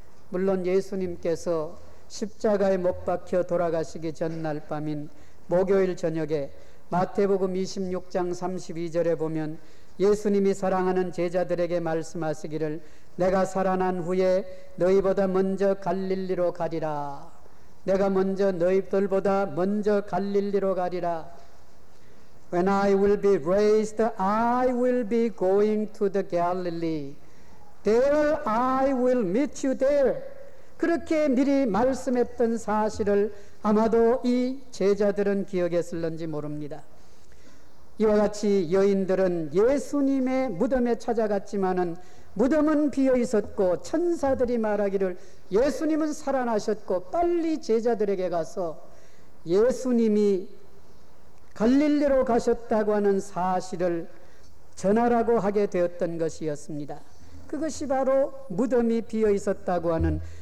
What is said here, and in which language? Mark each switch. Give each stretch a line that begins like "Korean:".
Korean: 물론 예수님께서 십자가에 못 박혀 돌아가시기 전날 밤인 목요일 저녁에 마태복음 26장 32절에 보면 예수님이 사랑하는 제자들에게 말씀하시기를 내가 살아난 후에 너희보다 먼저 갈릴리로 가리라. 내가 먼저 너희들보다 먼저 갈릴리로 가리라.
English: When I will be raised, I will be going to the Galilee. There I will meet you there.
Korean: 그렇게 미리 말씀했던 사실을 아마도 이 제자들은 기억했을런지 모릅니다. 이와 같이 여인들은 예수님의 무덤에 찾아갔지만은 무덤은 비어 있었고 천사들이 말하기를 예수님은 살아나셨고 빨리 제자들에게 가서 예수님이 갈릴리로 가셨다고 하는 사실을 전하라고 하게 되었던 것이었습니다. 그것이 바로 무덤이 비어 있었다고 하는